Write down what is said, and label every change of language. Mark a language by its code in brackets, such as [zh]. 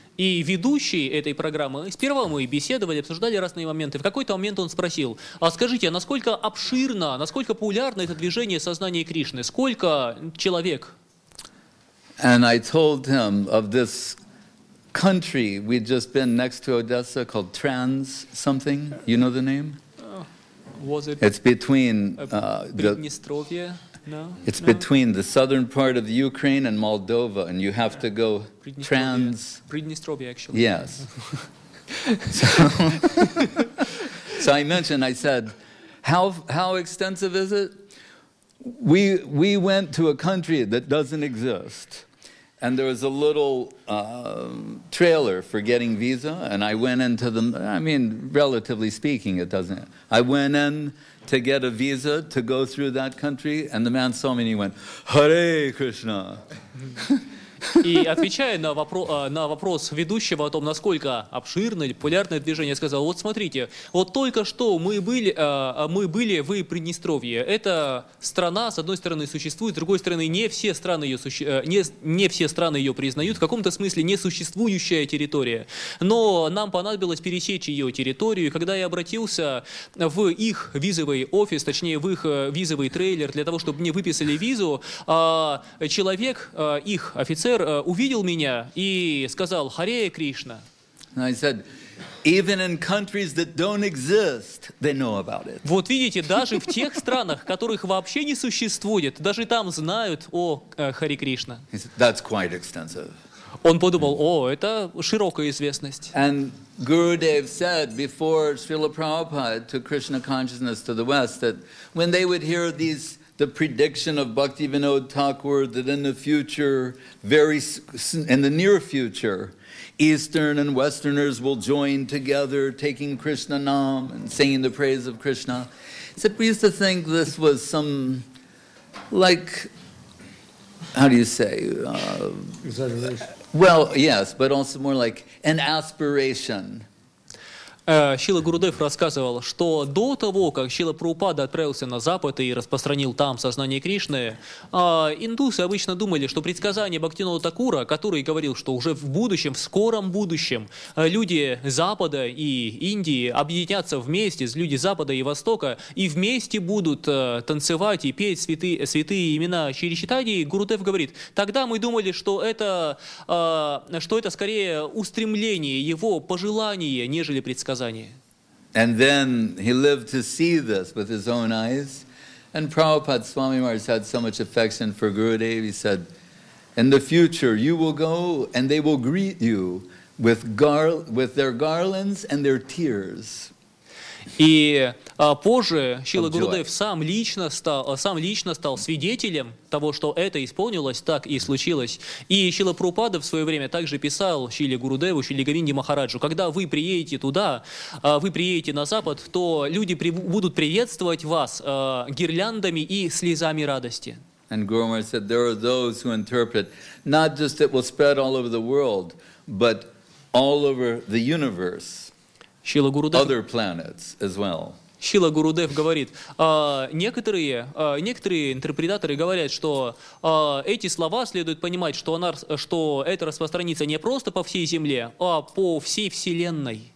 [ru] И ведущий этой программы, сперва мы беседовали, обсуждали разные моменты. В какой-то момент он спросил, а скажите, насколько обширно, насколько популярно это движение сознания Кришны? Сколько человек? [en] And I told him of this country we'd just been next to Odessa called Trans something. You know the name? Was it? It's between [ru] Приднестровье. [en] No. It's between the southern part of the Ukraine and Moldova, and you have to go trans. [ru] Приднестровье, [en] actually. Yes. So I mentioned. I said, "How extensive is it? We went to a country that doesn't exist." And there was a little trailer for getting visa, and I went into the, I mean, relatively speaking, it doesn't. I went in to get a visa to go through that country, and the man saw me and he went, Hare Krishna! [ru] И отвечая на вопрос ведущего о том, насколько обширно или популярное движение, сказал, вот смотрите, вот только что мы были в Приднестровье. Это страна, с одной стороны, существует, с другой стороны, не все страны ее признают, в каком-то смысле несуществующая территория. Но нам понадобилось пересечь ее территорию, и когда я обратился в их визовый офис, точнее, в их визовый трейлер, для того, чтобы мне выписали визу, человек, их офицер, увидел меня и сказал «Харе Кришна». [en] I said, even in countries that don't exist, they know about it. [ru] Вот видите, даже в тех странах, которых вообще не существует, даже там знают о Харе Кришна. [en] He said, that's quite extensive. [ru] Он подумал, о, это широкая известность. [en] And Gurudev said before Srila Prabhupada took Krishna consciousness to the West that when they would hear these the prediction of Bhaktivinoda Thakur that in the future, very in the near future, Eastern and Westerners will join together taking Krishna Nam and singing the praise of Krishna. Said, we used to think this was some, like, how do you say? Exaggeration. Well, yes, but also more like an aspiration. [ru] Шрила Гурудев рассказывал, что до того, как Шрила Прабхупада отправился на Запад и распространил там сознание Кришны, индусы обычно думали, что предсказание Бхактивинода Такура, который говорил, что уже в будущем, в скором будущем, люди Запада и Индии объединятся вместе, люди Запада и Востока, и вместе будут танцевать и петь святые имена Чиричитади, Гурудев говорит, тогда мы думали, что это скорее устремление его, пожелание, нежели предсказание. [en] And then he lived to see this with his own eyes. And Prabhupada Swami Maharaj had so much affection for Gurudev. He said, in the future you will go and they will greet you with their garlands and their tears. [ru] И позже Шрила Гурудев сам лично стал свидетелем того, что это исполнилось, так и случилось. И Шрила Прабхупада в свое время также писал Шриле Гурудеву, Шриле Говинде Махараджу, когда вы приедете туда, вы приедете на Запад, то люди будут приветствовать вас гирляндами и слезами радости. [en] And Guru Maharaj said, there are those who interpret not just it will spread all over the world, but all over the universe. [ru] Шрила Гурудев, [en] other planets as well. [ru] Шрила Гурудев говорит, некоторые интерпретаторы говорят, что эти слова следует понимать, что это распространится не просто по всей Земле, а по всей Вселенной.